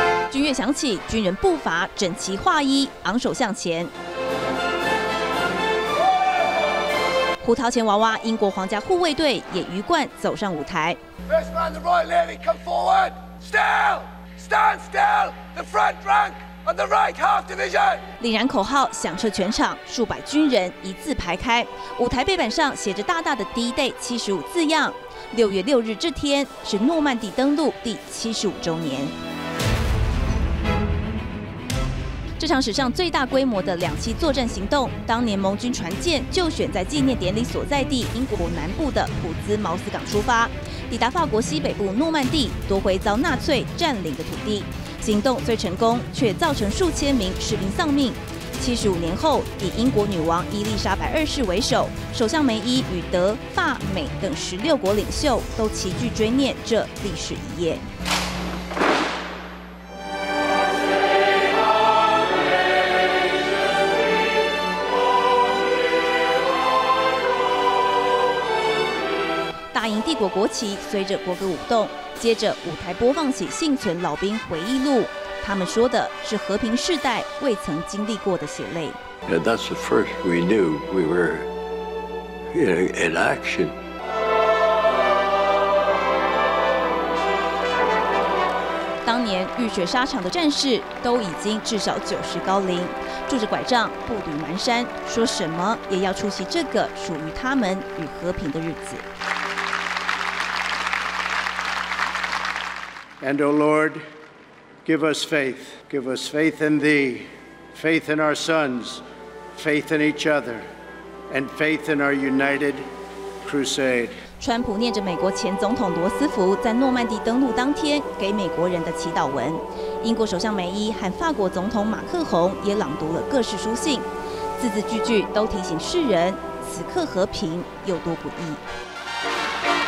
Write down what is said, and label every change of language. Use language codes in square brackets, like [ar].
[zh] 军乐响起，军人步伐整齐划一，昂首向前。胡桃钳娃娃，英国皇家护卫队也鱼贯走上舞台。 [en] First man, the Royal Navy, come forward. Still, stand still. The front rank of the right half division. [zh] 凛然口号响彻全场，数百军人一字排开。舞台背板上写着大大的 D-Day 75字样。6月6日这天是诺曼底登陆第75周年。这场史上最大规模的两栖作战行动，当年盟军船舰就选在纪念典礼所在地英国南部的普兹茅斯港出发，抵达法国西北部诺曼底，夺回遭纳粹占领的土地。行动虽成功，却造成数千名士兵丧命。 75年后，以英国女王伊丽莎白2世为首，首相梅伊与德、法、美等16国领袖都齐聚追念这历史一页。帝国国旗随着国歌舞动，接着舞台播放起幸存老兵回忆录，他们说的是和平世代未曾经历过的血泪。 [en] Yeah, that's the first we knew we were in action. [zh] 当年浴血沙场的战士都已经至少90高龄，拄着拐杖步履蹒跚，说什么也要出席这个属于他们与和平的日子。 [en] And, O Lord, give us faith. Give us faith in Thee, faith in our sons, faith in each other, and faith in our united crusade. [zh] 川普念着美国前总统罗斯福在诺曼底登陆当天给美国人的祈祷文。英国首相梅伊和法国总统马克宏也朗读了各式书信，字字句句都提醒世人，此刻和平有多不易。